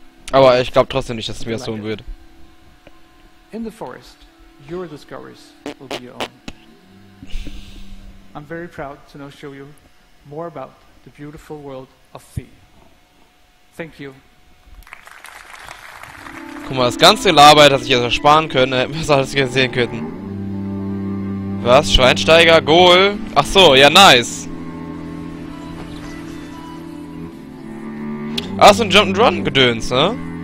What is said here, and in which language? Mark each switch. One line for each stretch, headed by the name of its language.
German: Aber ich glaube trotzdem nicht, dass es mir so wird.
English: In the forest, your discoveries will be your own. I'm very proud to now show you more about the beautiful world of Thee. Thank you.
German: Guck mal, das ganze Laber hätte ich jetzt ersparen können, was alles hier sehen könnten. Was? Schweinsteiger? Goal? Ach so, ja, nice. Ah, so ein Jump'n'Run-Gedöns, ne?